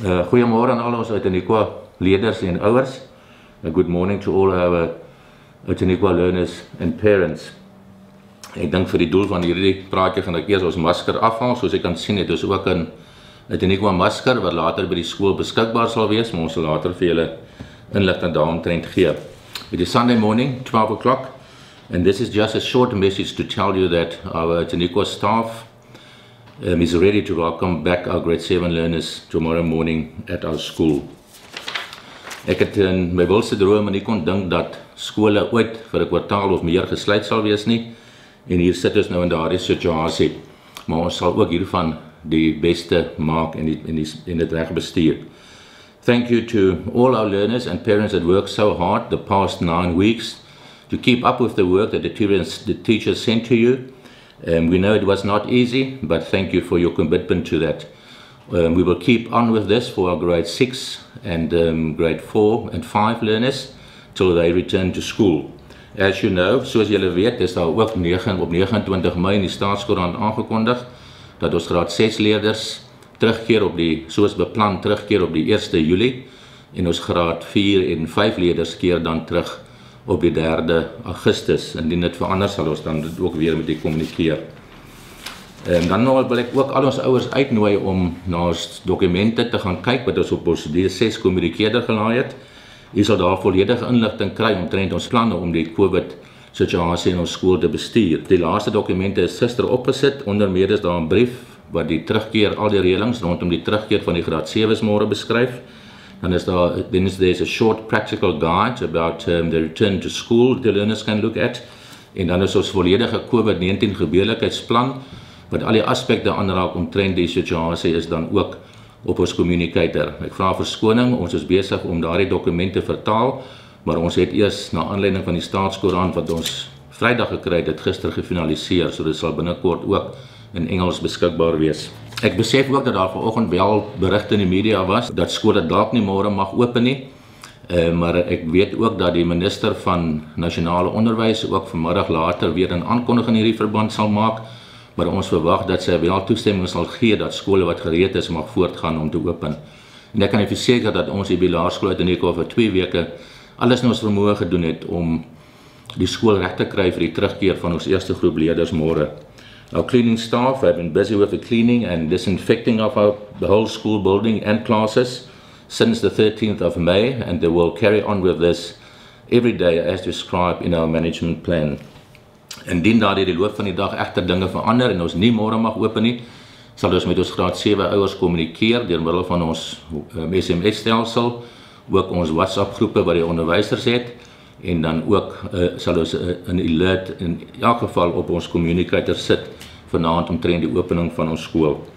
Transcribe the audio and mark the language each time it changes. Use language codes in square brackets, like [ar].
[af] Goeiemôre aan al ons Outeniqua leerders en ouers. [en] A good morning to all our Outeniqua learners and parents. [af] Ek dink vir die doel van hierdie praatjie gaan ek eers ons masker afhaal, soos jy kan sien het ons ook 'n Outeniqua masker wat later by die skool beskikbaar sal wees, maar ons sal later vir julle inligting daaromtrent gee. [en] It is Sunday morning, 12 o'clock, and this is just a short message to tell you that our Outeniqua staff is ready to welcome back our grade 7 learners tomorrow morning at our school. [af] Ek het in my wilse droom nie kon dink dat skole ooit vir 'n kwartaal of meer gesluit sal wees nie, en hier sit ons nou in daardie situasie, maar ons sal ook hiervan die beste maak en dit reg bestuur. [en] Thank you to all our learners and parents that worked so hard the past 9 weeks to keep up with the work that the teachers sent to you. We know it was not easy, but thank you for your commitment to that. We will keep on with this for our grade 6 and grade 4 and 5 learners till they return to school. As you know, [af] soos julle weet, is daar ook op 29 Mei in die staatskoerant aangekondig dat ons graad 6 leerders terugkeer op die, soos beplan, terugkeer op die 1ste Julie en ons graad 4 en 5 leerders keer dan terug op die 3de Augustus. Indien dit verander sal ons dan dit ook weer met die kommunikeer. En dan nou wil ek ook al ons ouers uitnooi om na ons dokumente te gaan kyk wat ons op ons D6 kommunikeerder gelaai het. U sal daar volledige inligting kry omtrent ons planne om die COVID situasie in ons skool te bestuur. Die laaste dokumente is gister opgesit, onder meer is daar 'n brief wat die terugkeer, al die reëlings rondom die terugkeer van die graad 7's môre beskryf. Dan is daar, [en] then there's a short practical guide about the return to school the learners can look at. [af] En dan is ons volledige COVID-19 gebeurlikheidsplan, wat al die aspekte aanraak omtrent die situasie is dan ook op ons communicator. Ek vra verskoning, ons is besig om daardie dokumente vertaal, maar ons het eers na aanleiding van die staatskoerant wat ons Vrydag gekry het, gister gefinaliseer, so dit sal binnekort ook in Engels beskikbaar wees. Ek besef ook dat daar vanoggend wel berigte in die media was dat skole dalk nie môre mag open nie. Maar ek weet ook dat die minister van nasionale onderwys ook vanmiddag later weer 'n aankondiging in hierdie verband sal maak, maar ons verwag dat sy wel toestemming sal gee dat skole wat gereed is mag voortgaan om te open. En ek kan u verseker dat ons hier by Laerskool Outeniqua vir 2 weke alles in ons vermoë gedoen het om die skool reg te kry vir die terugkeer van ons eerste groep leerders môre. [en] Our cleaning staff have been busy with the cleaning and disinfecting of the whole school building and classes since the 13th of May, and they will carry on with this every day as described in our management plan. [af] Indien daar die loop van die dag egter dinge verander en ons nie môre mag open nie, sal ons met ons graad 7 ouers kommunikeer deur middel van ons SMS stelsel, ook ons WhatsApp groepe wat die onderwysers het, en dan ook sal ons 'n alert in elk geval op ons communicator sit vanaand omtrent die opening van ons skool.